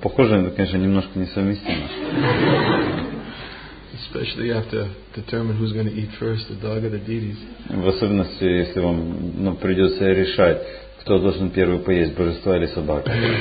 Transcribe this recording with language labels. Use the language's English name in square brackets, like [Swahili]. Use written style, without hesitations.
[Russian] Похоже, это, конечно, немножко несовместимо. [English] Especially after determine who's going to eat first, the dog or the deities. [Russian] В особенности, если вам, ну, придется решать, кто должен первый поесть, божество или собака.